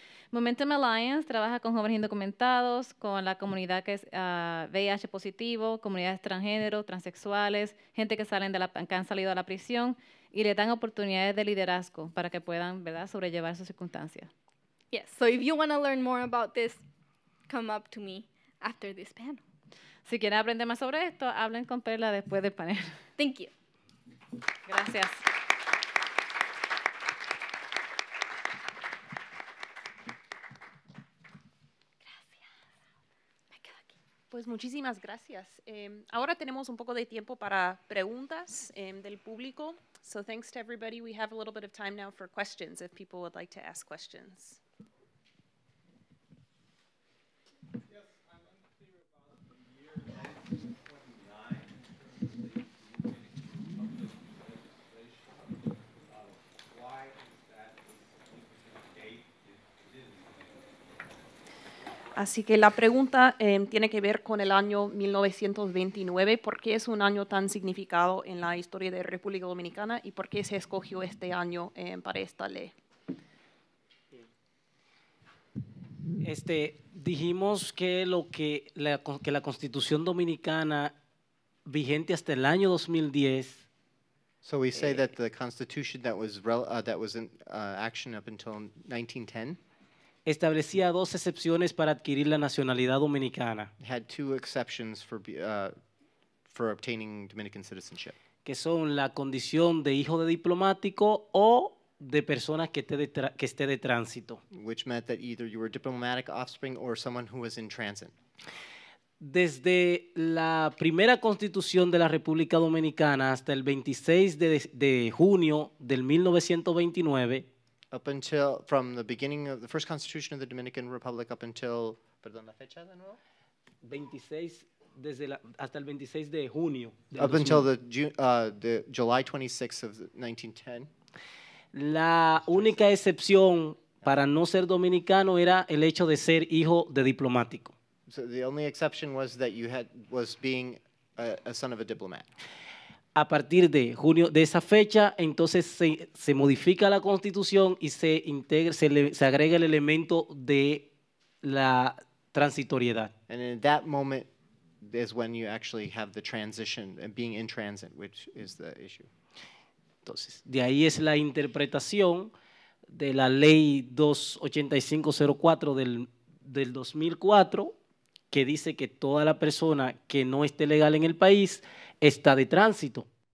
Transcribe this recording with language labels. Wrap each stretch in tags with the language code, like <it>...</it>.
<es>Momentum Alliance trabaja con jóvenes indocumentados, con la comunidad que es VIH positivo, comunidades transgénero, transexuales, gente que salen de la que han salido de la prisión y le dan oportunidades de liderazgo para que puedan, ¿verdad?, sobrellevar sus circunstancias.</es> <en>Yes, so if you want to learn more about this, come up to me after this panel.</en> <es>Si quieren aprender más sobre esto, hablen con Perla después del panel.</es> <en>Thank you.</en> <es>Gracias. Pues muchísimas gracias. Ahora tenemos un poco de tiempo para preguntas del público.</es> <en>So thanks to everybody. We have a little bit of time now for questions, if people would like to ask questions. Yes, I'm unclear about the</en> <es>Así que la pregunta tiene que ver con el año 1929. ¿Por qué es un año tan significado en la historia de República Dominicana y por qué se escogió este año para esta ley? Dijimos que la Constitución Dominicana vigente hasta el año 2010.</es> <en>So we say that the Constitution that was in action up until 1910.</en> <es>Establecía dos excepciones para adquirir la nacionalidad dominicana.</es> <en>Had two exceptions for obtaining Dominican citizenship.</en> <es>Que son la condición de hijo de diplomático o de persona que esté de tránsito.</es> <en>Which meant that either you were diplomatic offspring or someone who was in transit.</en> <es>Desde la primera constitución de la República Dominicana hasta el 26 de junio del 1929.</es> <en>Up until from the beginning of the first constitution of the Dominican Republic up until,</en> <es>perdón, la fecha de nuevo? 26, desde la, hasta el 26 de junio. De</es> <en>up until the July 26th of 1910.</en> <es>La única excepción para no ser dominicano era el hecho de ser hijo de diplomático.</es> <en>So the only exception was that you had was being a son of a diplomat.</en> <es>A partir de junio de esa fecha, entonces se modifica la constitución y se integra, se agrega el elemento de la transitoriedad.</es> <en>And in that moment is when you actually have the transition and being in transit, which is the issue.</en> <es>Entonces, de ahí es la interpretación de la ley 28504 del 2004, que dice que toda la persona que no esté legal en el país está de tránsito.</es>